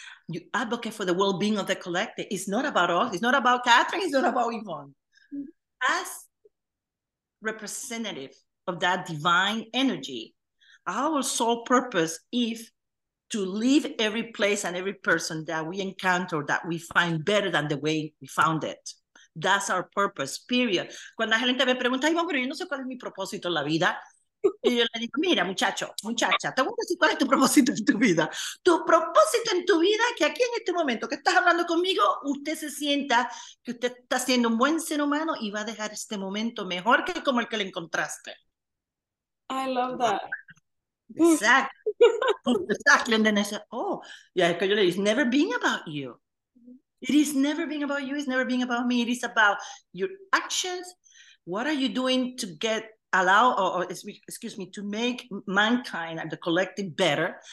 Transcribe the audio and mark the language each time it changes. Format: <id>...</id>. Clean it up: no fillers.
<en>You advocate for the well-being of the collective. It's not about us. It's not about Catherine. It's not about Yvonne. As representative of that divine energy, our sole purpose is to leave every place and every person that we encounter that we find better than the way we found it. That's our purpose, period.</en> <es>Cuando la gente me pregunta, Iván, pero yo no sé cuál es mi propósito en la vida. Y yo le digo, mira, muchacho, muchacha, te voy a decir cuál es tu propósito en tu vida. Tu propósito en tu vida es que aquí en este momento que estás hablando conmigo, usted se sienta que usted está siendo un buen ser humano y va a dejar este momento mejor que como el que le encontraste.</es> <en>I love Wow. that. Boost.</en> <es>Exacto.</es> <en>Exactly. And then I said, oh, yeah, because it's never been about you. It is never been about you. It's never been about me. It is about your actions. What are you doing to get, allow, or excuse me, to make mankind and the collective better?</en>